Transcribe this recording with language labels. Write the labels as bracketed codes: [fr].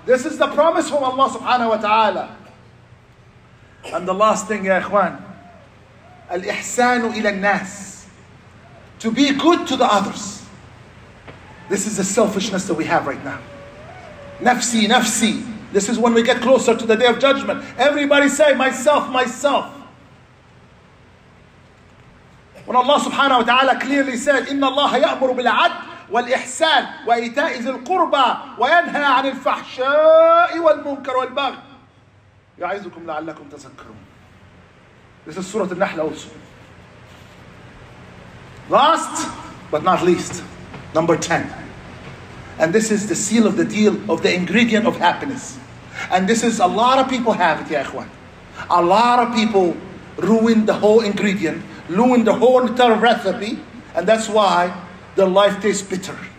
[en] This is the promise from Allah subhanahu wa ta'ala. And the last thing, ya ikhwan, [ar] al-ihsanu ila al-nas, [en] to be good to the others. This is the selfishness that we have right now. [ar] Nafsi, nafsi. [en] This is when we get closer to the day of judgment. Everybody say, myself, myself. When Allah subhanahu wa ta'ala clearly said, [ar] إِنَّ اللَّهَ يَأْمُرُ بِالْعَدْلِ وَالْإِحْسَانِ وَإِيتَاءِ ذِي الْقُرْبَى وَيَنْهَى عَنِ الْفَحْشَاءِ وَالْمُنْكَرِ وَالْبَغْيِ يَعِظُكُمْ لَعَلَّكُمْ تَذَكَّرُونَ. [en] This is Surah Al-Nahl also. Last but not least, number 10. And this is the seal of the deal, of the ingredient of happiness. And this is, a lot of people have it, ya ikhwan. A lot of people ruin the whole ingredient, ruin the whole entire recipe, and that's why the life tastes bitter.